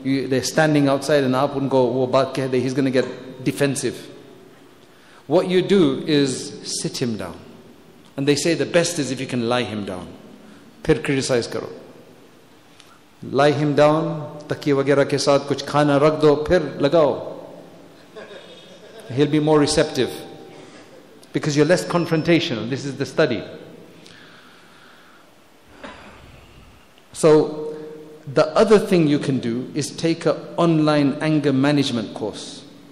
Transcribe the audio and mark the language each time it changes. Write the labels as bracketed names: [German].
[English] They're standing outside and [Urdu] آپ ان کو وہ بات کہہ دے، [English] he's going to get defensive. What you do is sit him down. And they say the best is if you can lie him down. [Urdu] پھر criticize کرو. [English] Lie him down، [Urdu] تکیہ وغیرہ کے ساتھ کچھ کھانا رکھ دو، پھر لگاؤ. [English] He'll be more receptive. Because you're less confrontational. This is the study. So, the other thing you can do is take an online anger management course.